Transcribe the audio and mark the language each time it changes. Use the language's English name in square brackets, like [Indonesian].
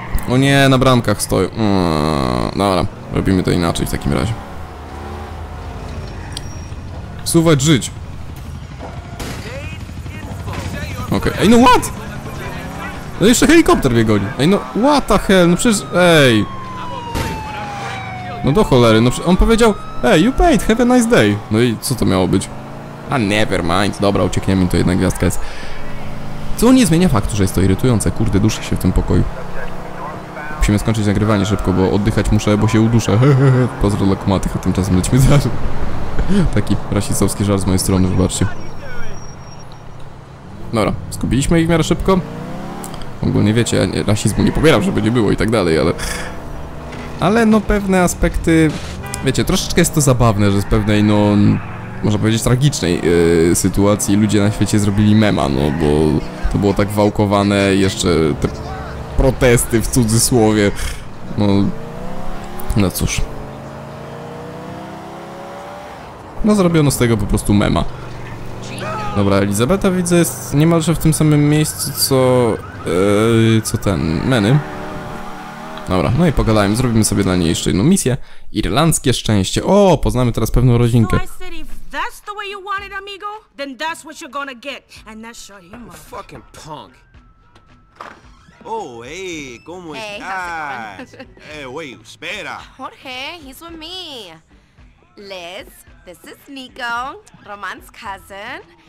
[Polish] O nie, na bramkach stoi. Dobra, robimy to inaczej w takim razie. Suwać żyć. Okej, okay. Ej, no [English] what? [Polish] No jeszcze helikopter mnie goni. Ej, no [English] what the hell, [Polish] no przecież, ej. No do cholery, no on powiedział, ej, [English] you paid, have a nice day. [Polish] No i co to miało być? A [English] never mind, [Polish] dobra, uciekniemy, to jedna gwiazdka jest. Co nie zmienia faktu, że jest to irytujące, kurde, duszę się w tym pokoju. Musimy skończyć nagrywanie szybko, bo oddychać muszę, bo się uduszę. Pozdro dla komatych, a tymczasem lećmy za. Taki rasistowski żart z mojej strony, wybaczcie. Dobra, skupiliśmy ich w miarę szybko. Ogólnie wiecie, ja nie, rasizmu nie pobieram, żeby nie było i tak dalej, ale... Ale no pewne aspekty... Wiecie, troszeczkę jest to zabawne, że z pewnej, no... Można powiedzieć tragicznej sytuacji ludzie na świecie zrobili mema, no bo... To było tak wałkowane jeszcze... Protesty w cudzysłowie. No. No cóż. No zrobiono z tego po prostu mema. Dobra, Elizabeta widzę jest niemalże w tym samym miejscu co. Co ten. Meny. Dobra, no i pogadajmy. Zrobimy sobie dla niej jeszcze jedną misję. Irlandzkie szczęście. O, poznamy teraz pewną rodzinkę. [English] that's the way you want it, amigo, then that's what you're gonna get. And that shut him up. Fucking punk. Oh, hey, [Spanish] ¿cómo [English] hey, [Spanish] estás? [English] Hey, wait, [Spanish] espera. [English] Jorge, he's with me. Liz, this is Nico, Roman's cousin.